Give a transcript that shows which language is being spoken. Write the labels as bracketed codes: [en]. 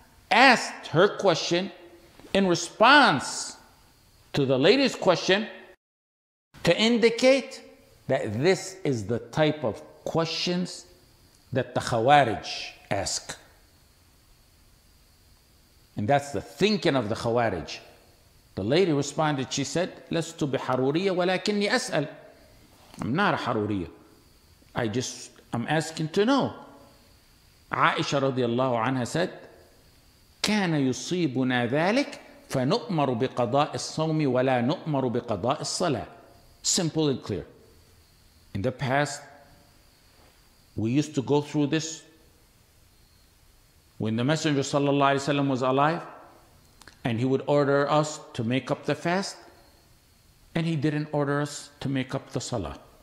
[en] asked her question in response to the lady's question to indicate that this is the type of questions that the Khawarij ask. And that's the thinking of the Khawarij. The lady responded, she said, [ar] لست بحرورية ولكني أسأل. [en] I'm not a حرورية. I'm asking to know. [ar] عائشة رضي الله عنها [en] said, [ar] كان يصيبنا ذلك فنؤمر بقضاء الصوم ولا نؤمر بقضاء الصلاة. [en] Simple and clear. In the past, we used to go through this when the Messenger sallallahu alaihi wasallam was alive, and he would order us to make up the fast, and he didn't order us to make up the salah.